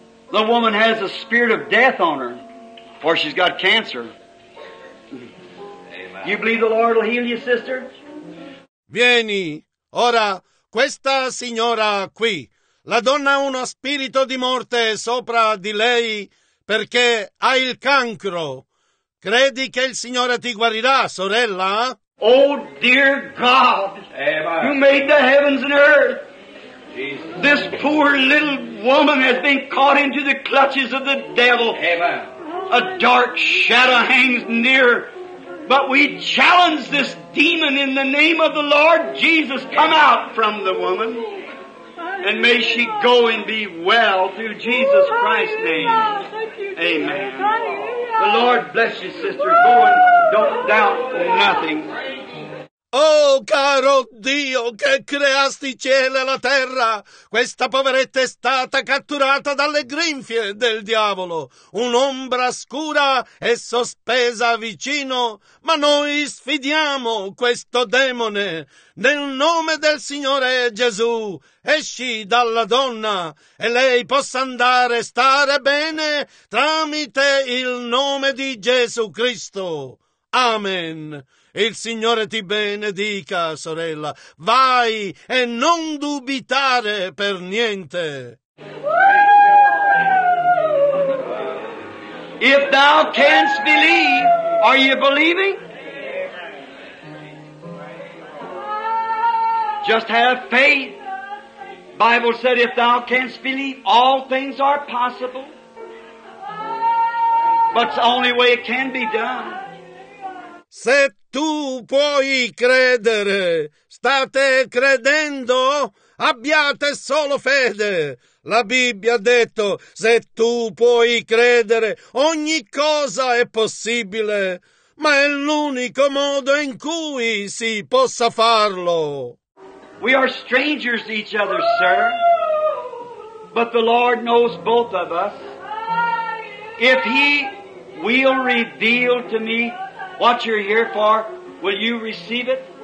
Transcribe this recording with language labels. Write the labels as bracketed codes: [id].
[en] The woman has a spirit of death on her, or she's got cancer. You believe the Lord will heal you, sister? [it] Vieni, ora, questa signora qui. La donna ha uno spirito di morte sopra di lei. perché hai il cancro. Credi che il Signore ti guarirà, sorella? [en] Oh, dear God, you made the heavens and earth. This poor little woman has been caught into the clutches of the devil. A dark shadow hangs near. But we challenge this demon in the name of the Lord Jesus. Come out from the woman. And may she go and be well through Jesus Christ's name. Amen. The Lord bless you, sister. Go and don't doubt nothing. [it] Oh, caro Dio, che creasti cielo e la terra! Questa poveretta è stata catturata dalle grinfie del diavolo. Un'ombra scura è sospesa vicino, ma noi sfidiamo questo demone. Nel nome del Signore Gesù, esci dalla donna e lei possa andare e stare bene tramite il nome di Gesù Cristo. Amen. Il Signore ti benedica, sorella. Vai e non dubitare per niente. [en] If thou canst believe, are you believing? Just have faith. Bible said, if thou canst believe, all things are possible. But it's the only way it can be done. [it] Se tu puoi credere, state credendo, abbiate solo fede. La Bibbia ha detto, se tu puoi credere, ogni cosa è possibile, ma è l'unico modo in cui si possa farlo. [en] We are strangers to each other, sir, but the Lord knows both of us. If He will reveal to me what you're here for, will you receive it?